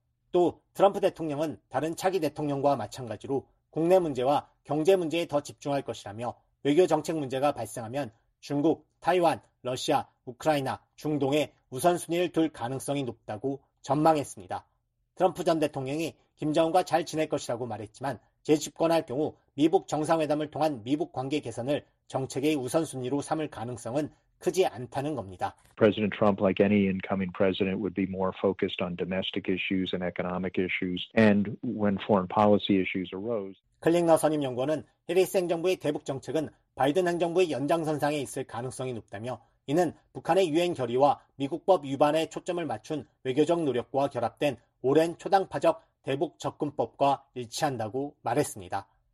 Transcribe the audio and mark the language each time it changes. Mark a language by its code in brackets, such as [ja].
[ko] 또 트럼프 대통령은 다른 차기 대통령과 마찬가지로 국내 문제와 경제 문제에 더 집중할 것이라며 외교 정책 문제가 발생하면 중국, 타이완, 러시아, 우크라이나, 중동에 우선순위를 둘 가능성이 높다고 전망했습니다. 트럼프 전 대통령이 김정은과 잘 지낼 것이라고 말했지만 재집권할 경우 미북 정상회담을 통한 미북 관계 개선을 정책의 우선순위로 삼을 가능성은 크지 않다는 겁니다. [en] President Trump, like any incoming president, would be more focused on domestic issues and economic issues. And when foreign policy issues arose, [ko] 클링너 선임 연구원은 해리스 행정부의 대북 정책은 바이든 행정부의 연장선상에 있을 가능성이 높다며 이는 북한의 유엔 결의와 미국법 위반에 초점을 맞춘 외교적 노력과 결합된 오랜 초당파적 대북 접근법과 일치한다고 말했습니다.